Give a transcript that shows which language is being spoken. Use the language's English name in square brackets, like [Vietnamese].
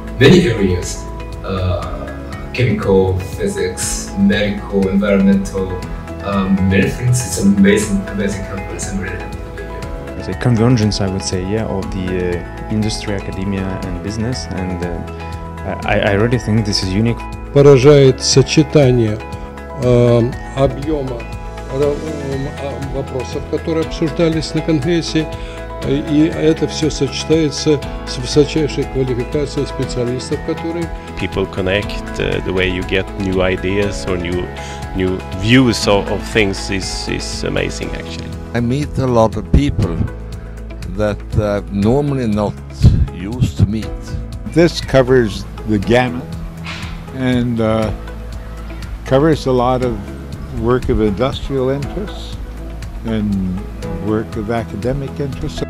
[English] many areas, chemical, physics, medical, environmental, medicines. It's an amazing conference. I'm really happy to be here. It's a convergence, I would say, yeah, of the industry, academia, and business. And I really think this is unique. [Russian] Поражает сочетание объема вопросов, которые обсуждались на конгрессе, и это все сочетается с высочайшей квалификацией специалистов, которые... [English] People connect the way you get new ideas or new views of things is amazing, actually. I meet a lot of people that I've normally not used to meet. This covers the gamut and covers a lot of work of industrial interests and work of academic interests.